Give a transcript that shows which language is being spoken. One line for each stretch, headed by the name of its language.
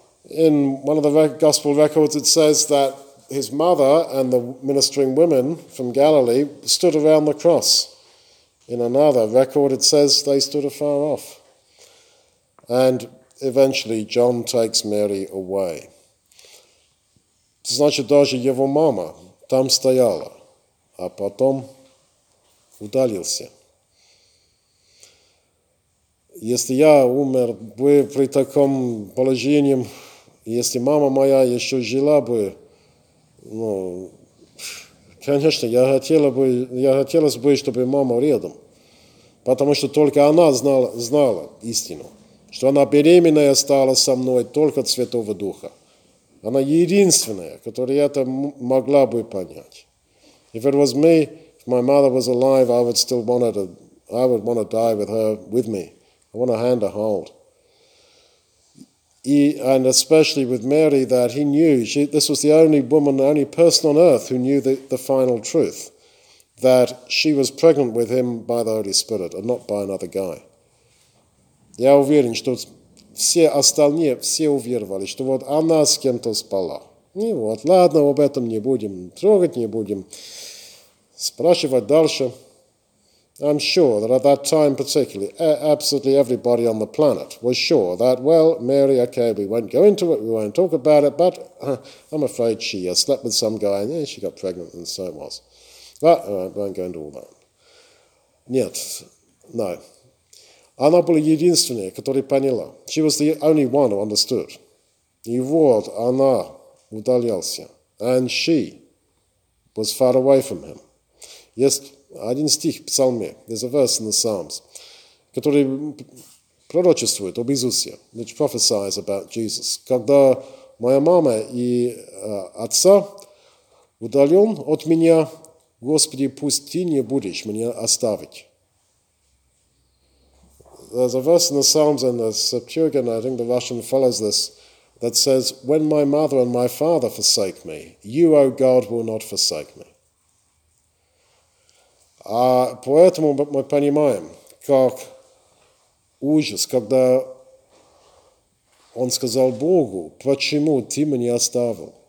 English: In one of the gospel records, it says that his mother and the ministering women from Galilee stood around the cross. In another record, it says they stood afar off. And eventually, John takes Mary away.
Russian: Значит, даже его мама там стояла, а потом удалился. Если я умер бы при таком положении, если мама моя еще жила бы, ну, конечно, я хотелось бы, чтобы мама рядом, потому что только она знала истину, что она беременная стала со мной только от Святого Духа. Она единственная, которая это могла бы понять.
English: If it was me, if my mother was alive, I would want to die with her, with me. I want a hand to hold. And especially with Mary, that he knew, this was the only woman, the only person on earth who knew the final truth, that she was pregnant with him by the Holy Spirit and not by another guy.
Russian: Я уверен, что все остальные, все уверовали, что вот она с кем-то спала. И вот, ладно, об этом не будем, трогать не будем, спрашивать дальше.
English: I'm sure that at that time particularly, absolutely everybody on the planet was sure that, well, Mary, okay, we won't go into it, we won't talk about it, but I'm afraid she slept with some guy and she got pregnant and so it was. But I won't go into all that.
Russian: Нет,
English: no.
Russian: Она была единственная, которая поняла.
English: She was the only one who understood.
Russian: И вот она удалялся.
English: And she was far away from him.
Russian: Есть один стих в Псалме,
English: there's a verse in the Psalms,
Russian: который пророчествует об Иисусе,
English: which prophesies about Jesus.
Russian: Когда моя мама и отца удален от меня, Господи, пусть ты не будешь меня оставить.
English: There's a verse in the Psalms and the Septuagint, I think the Russian follows this, that says, when my mother and my father forsake me, you, O God, will not forsake me.
Russian: А поэтому мы понимаем, как ужас, когда он сказал Богу, почему ты меня оставил.